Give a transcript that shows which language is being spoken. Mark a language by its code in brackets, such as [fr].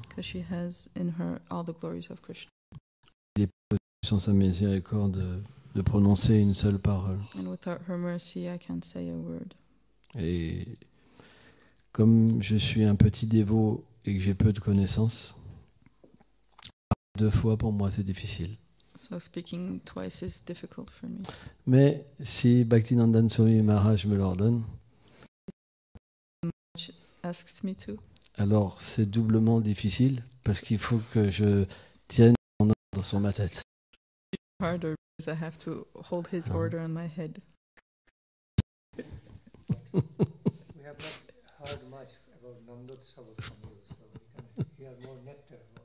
[en] Because she has in her all the glories of Krishna. [fr] Il est possible sans sa miséricorde de prononcer une seule parole. [en] And without her mercy, I can't say a word. [fr] Et comme je suis un petit dévot et que j'ai peu de connaissances, deux fois pour moi c'est difficile. [en] So speaking twice is difficult for me. [fr] Mais si Bhaktinandan Swami Maharaj me l'ordonne, [en] asks me to. [fr] Alors, c'est doublement difficile parce qu'il faut que je tienne son ordre sur ma tête. [en] Harder because I have to hold his order on my head. We have not heard much about Nandotsava from you, so we can hear more nectar.